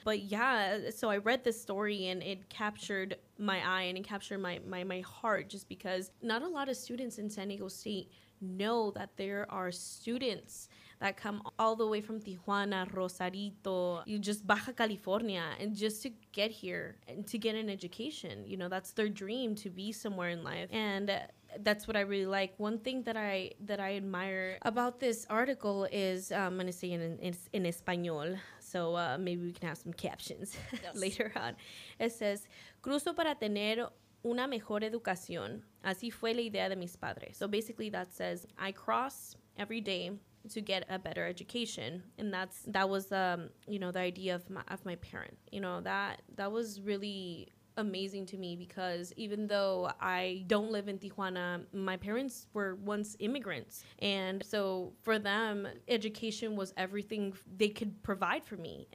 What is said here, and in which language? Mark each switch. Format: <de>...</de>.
<en>But yeah, so I read this story and it captured my eye and it captured my heart, just because not a lot of students in San Diego State know that there are students that come all the way from Tijuana, Rosarito, just Baja California, and just to get here and to get an education. You know, that's their dream, to be somewhere in life. And that's what I really like. One thing that I admire about this article is, I'm going to say in Espanol, so maybe we can have some captions. Yes. Later on. It says,</en> <es>cruzo para tener una mejor educación. Así fue la idea de mis padres.</es> <en>So basically that says, I cross every day to get a better education. And that was you know, the idea of my parent. You know, that was really amazing to me, because even though I don't live in Tijuana, my parents were once immigrants, and so for them, education was everything they could provide for me.</en>